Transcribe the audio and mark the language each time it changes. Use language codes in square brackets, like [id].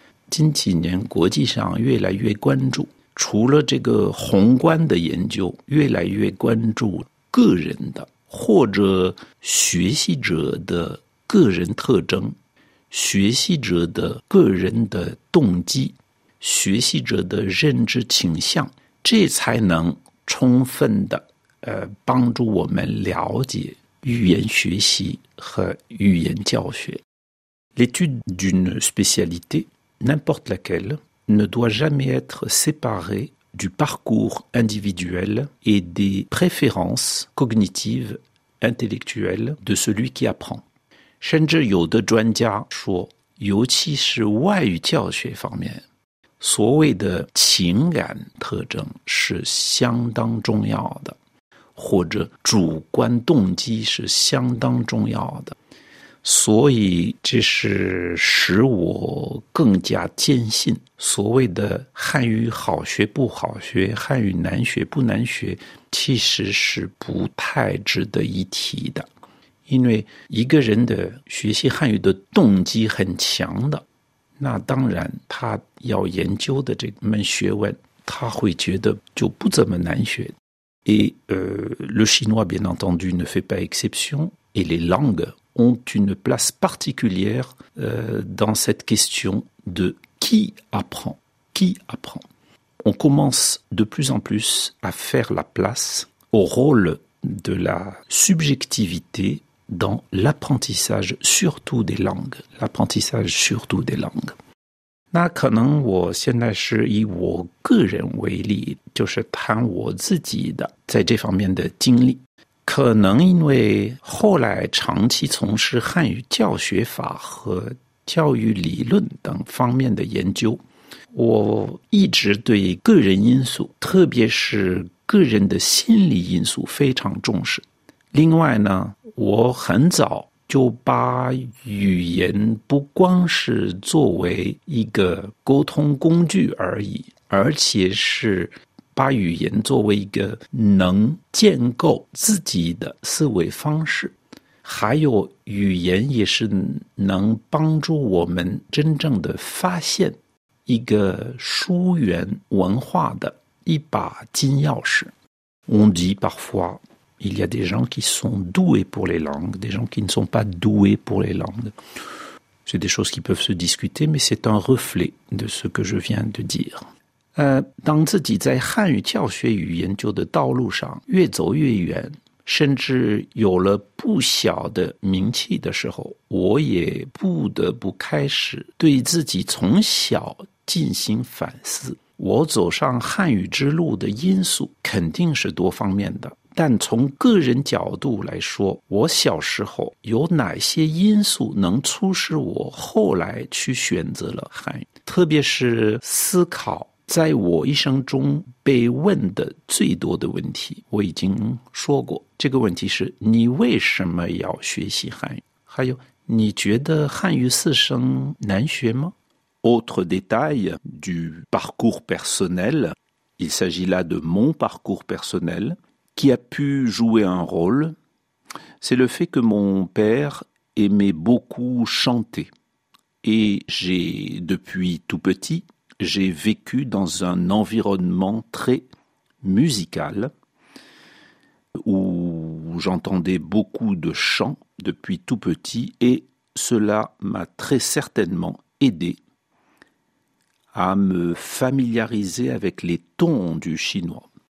[zh] 近几年国际上越来越关注，除了这个宏观的研究，越来越关注个人的或者学习者的个人特征，学习者的个人的动机，学习者的认知倾向，这才能充分的帮助我们了解语言学习和语言教学。 [fr] L'étude d'une spécialité, n'importe laquelle, ne doit jamais être séparée du parcours individuel et des préférences cognitives intellectuelles de celui qui apprend. [zh] 甚至有的专家说，尤其是外语教学方面，所谓的情感特征是相当重要的，或者主观动机是相当重要的，所以这是使我更加坚信所谓的汉语好学不好学，汉语难学不难学，其实是不太值得一提的。因为一个人的学习汉语的动机很强的，那当然他要研究的这门学问他会觉得就不怎么难学。 [fr] Et le chinois bien entendu ne fait pas exception et les langues ont une place particulière dans cette question de qui apprend, qui apprend. On commence de plus en plus à faire la place au rôle de la subjectivitéDans l'apprentissage surtout des langues, l'apprentissage surtout des langues. [zh] 那可能我现在是以我个人为例，就是谈我自己的在这方面的经历。可能因为后来长期从事汉语教学法和教育理论等方面的研究，我一直对个人因素，特别是个人的心理因素非常重视。另外呢，我很早就把语言不光是作为一个沟通工具而已，而且是把语言作为一个能建构自己的思维方式，还有语言也是能帮助我们真正的发现一个疏远文化的一把金钥匙。 [fr] On dit parfois,Il y a des gens qui sont doués pour les langues, des gens qui ne sont pas doués pour les langues. C'est des choses qui peuvent se discuter, mais c'est un reflet de ce que je viens de dire. [zh] 当自己在汉语教学与研究的道路上越走越远，甚至有了不小的名气的时候，我也不得不开始对自己从小进行反思。我走上汉语之路的因素肯定是多方面的。但从个人角度来说，我小时候有哪些因素能促使我后来去选择了汉语？特别是思考在我一生中被问的最多的问题，我已经说过，这个问题是你为什么要学习汉语？还有你觉得汉语四声难学吗？ [fr] Autre détail du parcours personnel, il s'agit là de mon parcours personnel,qui a pu jouer un rôle, c'est le fait que mon père aimait beaucoup chanter. Et j'ai, depuis tout petit, j'ai vécu dans un environnement très musical, où j'entendais beaucoup de chants depuis tout petit, et cela m'a très certainement aidé à me familiariser avec les tons du chinois.